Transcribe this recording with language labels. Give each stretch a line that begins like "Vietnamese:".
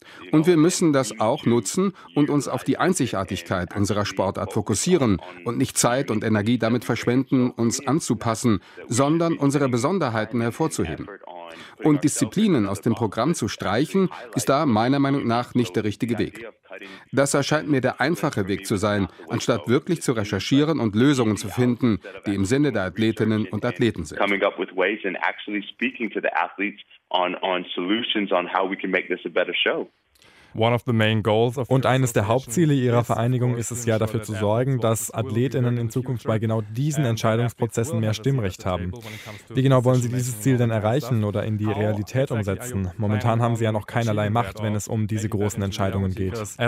German: Und wir müssen das auch nutzen und uns auf die Einzigartigkeit unserer Sportart fokussieren und nicht Zeit und Energie damit verschwenden, uns anzupassen, sondern unsere Besonderheiten hervorzuheben. Und Disziplinen aus dem Programm zu streichen, ist da meiner Meinung nach nicht der richtige Weg. Das erscheint mir der einfache Weg zu sein, anstatt wirklich zu recherchieren und Lösungen zu finden, die im Sinne der Athletinnen und Athleten sind.
English: Coming up with ways and actually speaking to the athletes on solutions on how we can make this a better show.
German: Und eines der Hauptziele Ihrer Vereinigung ist es ja, dafür zu sorgen, dass AthletInnen in Zukunft bei genau diesen Entscheidungsprozessen mehr Stimmrecht haben. Wie genau wollen Sie dieses Ziel denn erreichen oder in die Realität umsetzen? Momentan haben Sie ja noch keinerlei Macht, wenn es um diese großen Entscheidungen geht.